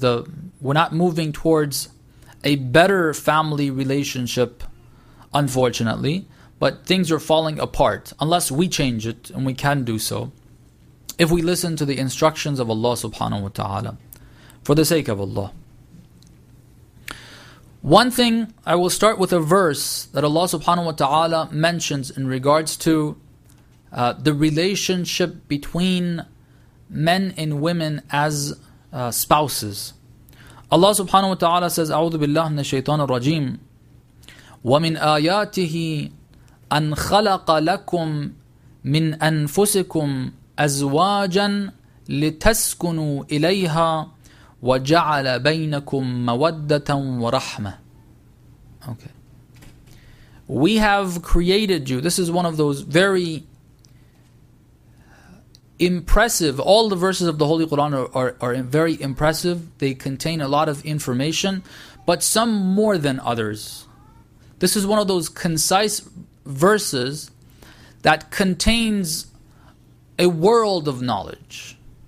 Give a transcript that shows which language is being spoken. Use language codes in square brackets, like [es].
[en] We're not moving towards a better family relationship, unfortunately, but things are falling apart unless we change it, and we can do so if we listen to the instructions of Allah subhanahu wa ta'ala. For the sake of Allah. One thing, I will start with a verse that Allah subhanahu wa ta'ala mentions in regards to the relationship between men and women as spouses. Allah subhanahu wa ta'ala says, [ar] أعوذ بالله من الشيطان الرجيم وَمِنْ آيَاتِهِ أَنْ خَلَقَ لَكُمْ مِنْ أَنفُسِكُمْ أَزْوَاجًا لِتَسْكُنُوا إِلَيْهَا وَجَعَلَ بَيْنَكُم مَوَدَّةً وَرَحْمَةً. [en] Okay. We have created you. This is one of those very impressive. All the verses of the Holy Quran are very impressive. They contain a lot of information, but some more than others. This is one of those concise verses that contains a world of knowledge.